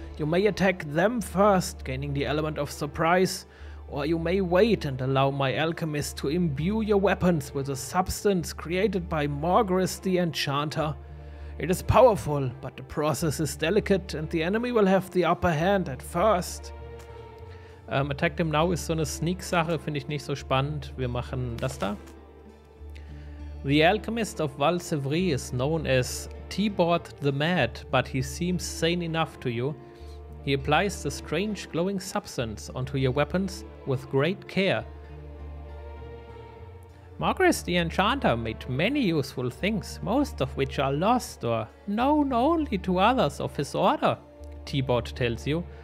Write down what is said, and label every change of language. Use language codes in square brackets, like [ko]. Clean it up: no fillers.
[en] You may attack them first, gaining the element of surprise, or you may wait and allow my alchemist to imbue your weapons with a substance created by Morgris the Enchanter. It is powerful, but the process is delicate and the enemy will have the upper hand at first. Attack them now [de] ist so eine Sneak-Sache, finde ich nicht so spannend. Wir machen das da. [en] The alchemist of Val-Sevry is known as Tibord the Mad, but he seems sane enough to you. He applies the strange glowing substance onto your weapons with great care. Morgris the Enchanter made many useful things, most of which are lost or known only to others of his order, Tibord tells you.